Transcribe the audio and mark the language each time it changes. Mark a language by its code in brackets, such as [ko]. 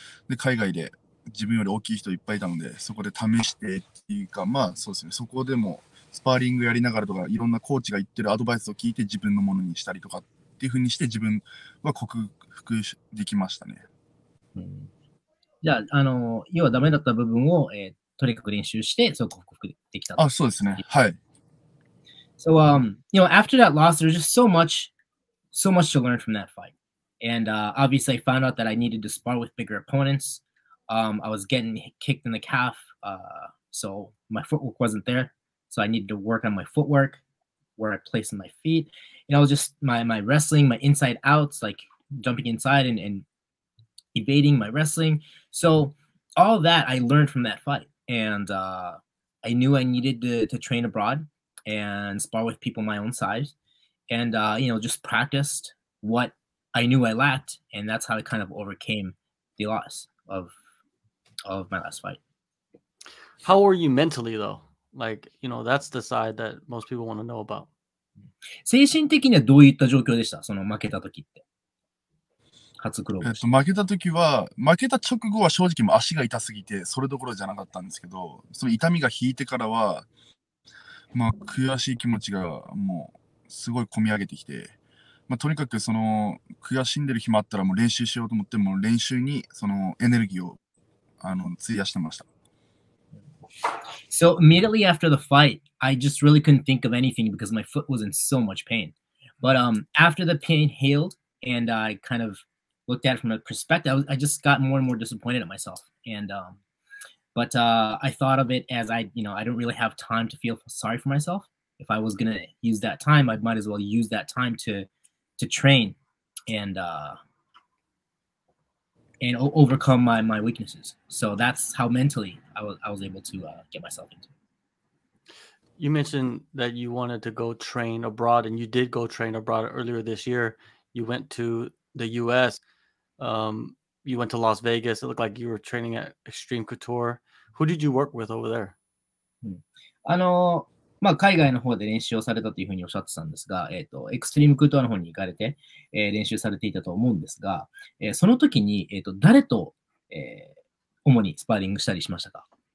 [ja] で海外で自分より大きい人いっぱいいたので、そこで試してっていうか、まあそうですね、そこでもスパーリングやりながらとか、いろんなコーチが言ってるアドバイスを聞いて自分のものにしたりとかっていうふうにして自分は克服できましたね。うん、じゃあ、要はダメだった部分を、とにかく練習して、そう克服できた。あ、そうですね。はい。 [en] So, you know, after that loss, there's just so much to learn from that fight. And, obviously I found out that I needed to spar with bigger opponents. I was getting kicked in the calf, so my footwork wasn't there. So I needed to work on my footwork, where I placed my feet. You know, just my wrestling, my inside outs, like jumping inside and evading my wrestling. So all that I learned from that fight. And I knew I needed to train abroad and spar with people my own size. And, you know, just practiced what I knew I lacked. And that's how I kind of overcame the loss of my last fight. How were you mentally, though? Like, you know, that's the side that most people want to know about. [ja] 精神的にはどういった状況でした？その負けた時って。負けた時は、負けた直後は正直も足が痛すぎてそれどころじゃなかったんですけど、その痛みが引いてからは、まあ、悔しい気持ちがもうすごい込み上げてきて、まあ、とにかくその悔しんでる暇あったらもう練習しようと思って、もう練習にそのエネルギーを費やしてました。 [en] So immediately after the fight, I just really couldn't think of anything because my foot was in so much pain. But after the pain healed and I kind of looked at it from a perspective, I just got more and more disappointed at myself. And I thought of it as I don't really have time to feel sorry for myself. If I was gonna use that time, I might as well use that time to train and overcome my weaknesses. So that's how mentally I was able to get myself into it. You mentioned that you wanted to go train abroad, and you did go train abroad earlier this year. You went to the U.S. You went to Las Vegas. It looked like you were training at Extreme Couture. Who did you work with over there? [ja] まあ、海外の方で練習をされたというふうにおっしゃってたんですが、Extreme Couture の方に行かれて、練習されていたと思うんですが、その時に、誰と、主にスパーリングしたりしましたか？